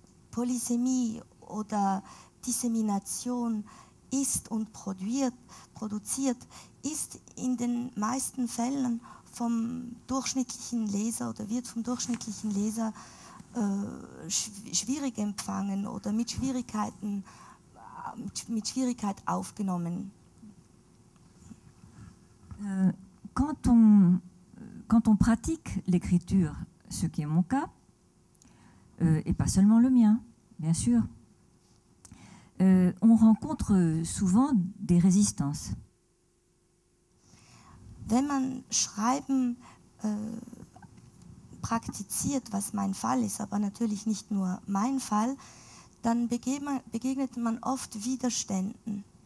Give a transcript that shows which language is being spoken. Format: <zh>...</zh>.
<de>Polysemie oder Dissemination ist und produziert, ist in den meisten Fällen vom durchschnittlichen Leser oder wird vom durchschnittlichen Leser schwierig empfangen oder mit Schwierigkeit aufgenommen.</de> <fr>Quand on pratique l'écriture, ce qui est mon cas, et pas seulement le mien, bien sûr, on rencontre souvent des résistances.</fr> <de>Wenn man schreiben praktiziert, was mein Fall ist, aber natürlich nicht nur mein Fall, dann begegnet man oft Widerständen.</de>